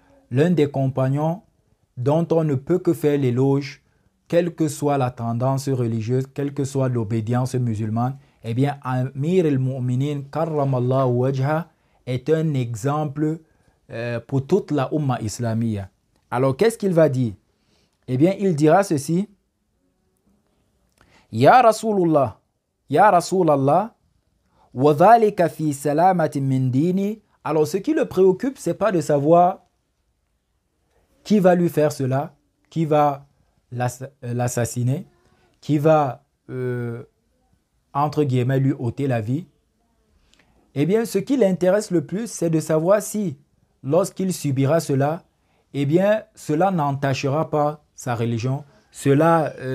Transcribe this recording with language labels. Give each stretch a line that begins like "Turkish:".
French: L'un des compagnons dont on ne peut que faire l'éloge, quelle que soit la tendance religieuse, quelle que soit l'obédience musulmane, eh bien, Amir al-Mu'minin, karramallahu wajha, est un exemple pour toute la Ummah islamiyya. Alors, qu'est-ce qu'il va dire? Eh bien, il dira ceci.
Arabic: Ya Rasulallah, وَذَلِكَ فِي سَلَامَةٍ مِنْ دِينِ.
French: Alors, ce qui le préoccupe, ce n'est pas de savoir qui va lui faire cela, qui va l'assassiner, qui va, entre guillemets, lui ôter la vie. Eh bien, ce qui l'intéresse le plus, c'est de savoir si, lorsqu'il subira cela, eh bien, cela n'entachera pas sa religion, cela